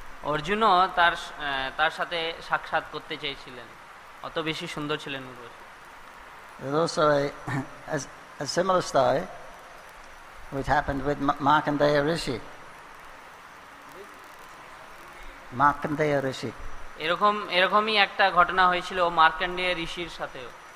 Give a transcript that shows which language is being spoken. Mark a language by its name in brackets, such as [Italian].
[Bangla] অর্জুনও তার সাথে সাক্ষাৎ করতে চেয়েছিলেন, অত বেশি সুন্দর ছিলেন Urvashi. [English] Also a similar story which happened with Markandeya Rishi. Markandeya Rishi. [Bangla] এরকমই একটা ঘটনা হয়েছিল মার্কণ্ডেয় ঋষির সাথেও।